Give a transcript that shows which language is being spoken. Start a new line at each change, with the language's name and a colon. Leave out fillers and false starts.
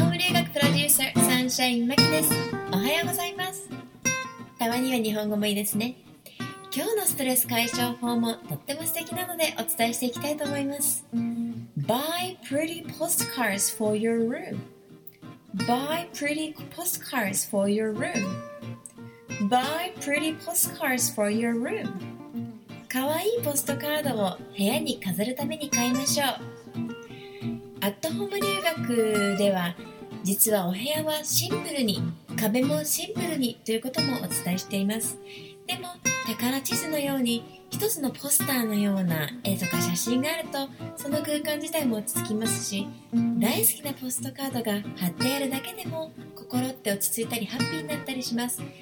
Japanese: 留学プロデューサーサンシャインマキです。おはようございます。たまには日本語もいいですね。今日のストレス解消法もとっても素敵なのでお伝えしていきたいと思います。
English: Buy pretty postcards for your room. Buy pretty postcards for your room. Buy pretty postcards for your room.
Japanese: かわいいポストカードを部屋に飾るために買いましょう。アットホーム留学では実はお部屋はシンプルに、壁もシンプルにということもお伝えしています。でも宝地図のように一つのポスターのような絵とか写真があるとその空間自体も落ち着きますし、大好きなポストカードが貼ってあるだけでも心って落ち着いたりハッピーになったりします。